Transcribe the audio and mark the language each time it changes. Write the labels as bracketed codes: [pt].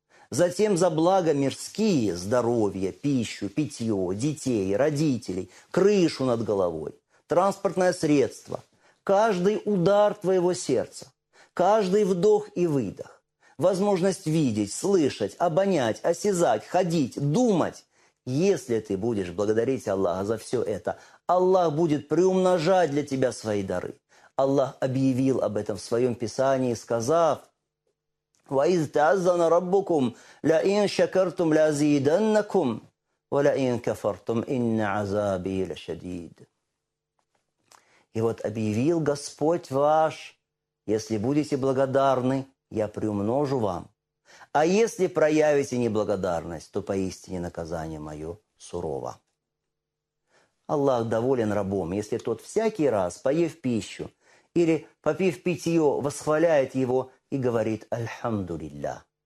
[ru] затем за блага мирские, здоровье, пищу, питье, детей, родителей, крышу над головой, транспортное средство, каждый удар твоего сердца, каждый вдох и выдох, возможность видеть, слышать, обонять, осязать, ходить, думать. Если ты будешь благодарить Аллаха за все это, Аллах будет приумножать для тебя свои дары. Аллах объявил об этом в своем писании, сказав: [ar] وَإِذْ تَعَذَّنَ رَبُّكُمْ لَئِنْ شَكَرْتُمْ لَأَزِيدَنَّكُمْ وَلَئِنْ كَفَرْتُمْ إِنَّ عَذَابِي لَشَدِيدٌ. [ru] И вот объявил Господь ваш: если будете благодарны, я приумножу вам, а если проявите неблагодарность, то поистине наказание мое сурово. Аллах доволен рабом, если тот всякий раз, поев пищу или попив питье, восхваляет его и говорит: «Альхамдулилля».